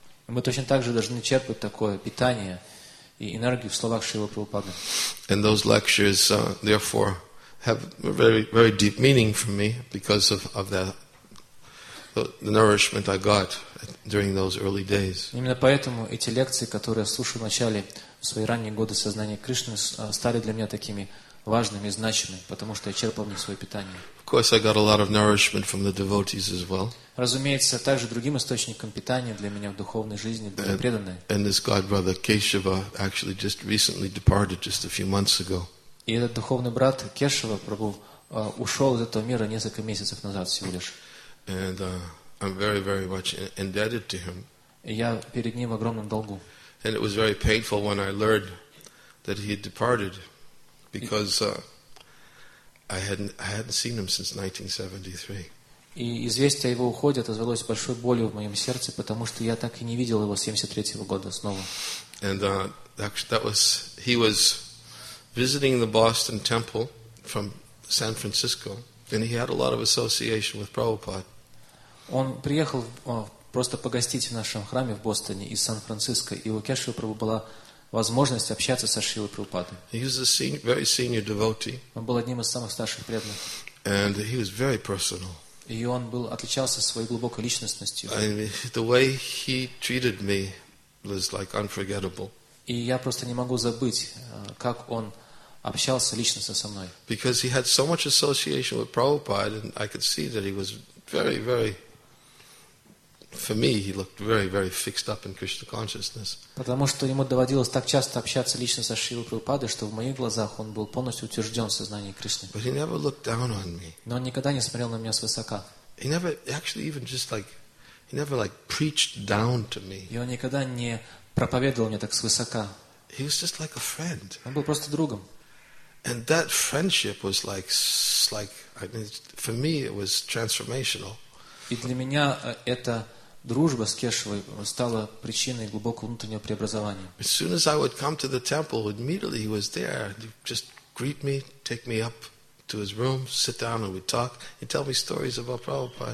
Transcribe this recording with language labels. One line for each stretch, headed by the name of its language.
Russian: Мы точно так же должны черпать такое питание и энергию в словах Шрилы Прабхупады.
English: And those lectures, therefore, have a very, very deep meaning for me because of the nourishment I got during those early days.
Russian: Именно поэтому эти лекции, которые я слушал в начале в свои ранние годы сознания Кришны, стали для меня такими важным и значимым, потому что я черпал в них свое питание.
English: Of course, I got a lot of nourishment from the devotees as well.
Russian: Разумеется, также другим источником питания для меня в духовной жизни были преданные.
English: And this god brother Keshava actually just recently departed just a few months ago.
Russian: И этот духовный брат Кешава Прабу ушел из этого мира несколько месяцев назад всего лишь.
English: And I'm very, very much indebted to him.
Russian: Я перед ним в огромном долгу.
English: And it was very painful when I learned that he had departed, because I hadn't seen him since 1973.
Russian: И известие о его уходе отозвалось большой болью в моем сердце, потому что я так и не видел его с 73 года снова.
English: And actually, he was visiting the Boston Temple from San Francisco, and he had a lot of association with Prabhupada.
Russian: Он приехал просто погостить в нашем храме в Бостоне из Сан-Франциско, и у Кешавы Прабху была возможность общаться со Шрилой Прабхупадой.
English: He was a senior, very senior devotee.
Russian: Он был одним из самых старших преданных.
English: And he was very personal.
Russian: И он был отличался своей глубокой личностью.
English: I mean, the way he treated me was like unforgettable.
Russian: И я просто не могу забыть, как он общался личностно со мной.
English: Because he had so much association with Prabhupada, and I could see that he was very, very, for me, he looked very, very fixed up in Krishna consciousness.
Russian: Потому что ему доводилось так часто общаться лично со Шрилой Прабхупадой, что в моих глазах он был полностью утвержден в сознании Кришны.
English: But he never looked down on me.
Russian: Но он никогда не смотрел на меня свысока.
English: He never actually even just like he never like preached down to me.
Russian: И он никогда не проповедовал мне так свысока.
English: He was just like a friend.
Russian: Он был просто другом.
English: And that friendship was like I mean, for me it was transformational.
Russian: И для меня эта дружба с Кешавой стала причиной глубокого внутреннего преобразования.
English: As soon as I would come to the temple, immediately he was there. He'd just greet me, take me up to his room, sit down, and we'd talk. He'd tell me stories about Prabhupada.